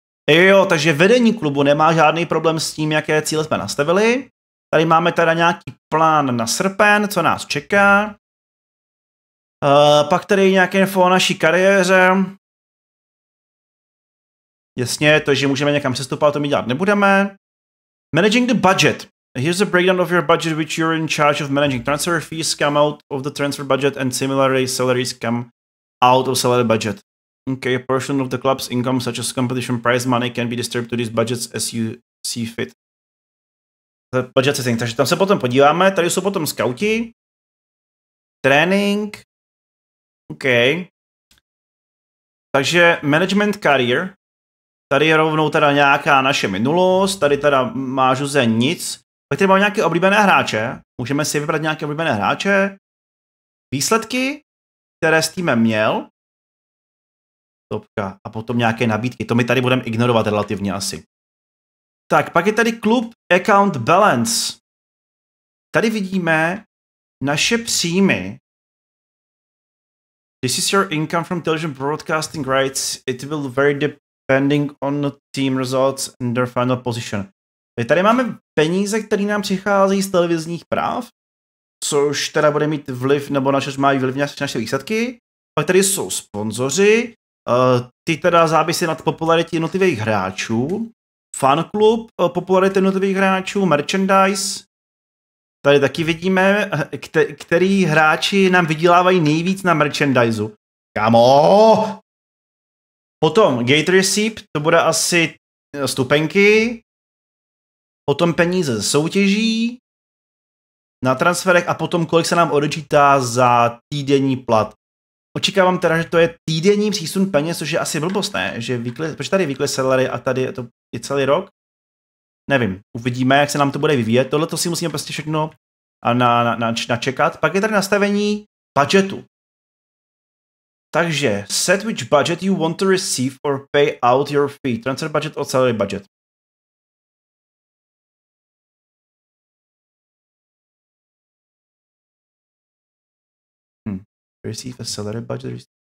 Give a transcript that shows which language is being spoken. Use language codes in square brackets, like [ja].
[cs] Jo, takže vedení klubu nemá žádný problém s tím, jaké cíle jsme nastavili. Tady máme teda nějaký plán na srpen, co nás čeká. Pak tady nějaké info o naší kariéře. Jasně, to, že můžeme někam přestupovat, to my dělat nebudeme. [en] Managing the budget. Here's a breakdown of your budget which you're in charge of managing. Transfer fees come out of the transfer budget and similarly salaries come out of salary budget. Okay, a portion of the club's income such as competition prize money can be distributed to these budgets as you see fit. The budget setting. [cs] Takže tam se potom podíváme. Tady jsou potom scouti. [en] Training. Okay. [cs] Takže management career. Tady je rovnou teda nějaká naše minulost, tady teda má Žuze nic. Pak tady máme nějaké oblíbené hráče, můžeme si vybrat nějaké oblíbené hráče. Výsledky, které s týmem měl. Topka a potom nějaké nabídky, to my tady budeme ignorovat relativně asi. Tak, pak je tady klub Account Balance. Tady vidíme naše příjmy. [en] This is your income from television broadcasting rights, it will very depending on the team results and their final position. [cs] Tady máme peníze, které nám přichází z televizních práv, což teda bude mít vliv, nebo naše mají vliv na naše výsledky. Pak tady jsou sponzoři, ty teda závisí nad popularitě jednotlivých hráčů, fanklub popularity jednotlivých hráčů, merchandise. Tady taky vidíme, který hráči nám vydělávají nejvíc na merchandise. Kamo! Potom gate receipt, to bude asi stupenky. Potom peníze ze soutěží na transferech a potom kolik se nám odečítá za týdenní plat. Očekávám teda, že to je týdenní přísun peněz, což je asi blbost, ne? Že výkly, proč tady [en] výkly salary [cs] a tady je to je celý rok? nevím, uvidíme, jak se nám to bude vyvíjet. Tohle to si musíme prostě všechno načekat. Pak je tady nastavení budgetu. [en] Takže, set which budget you want to receive or pay out your fee. Transfer budget or salary budget. Receive a salary budget.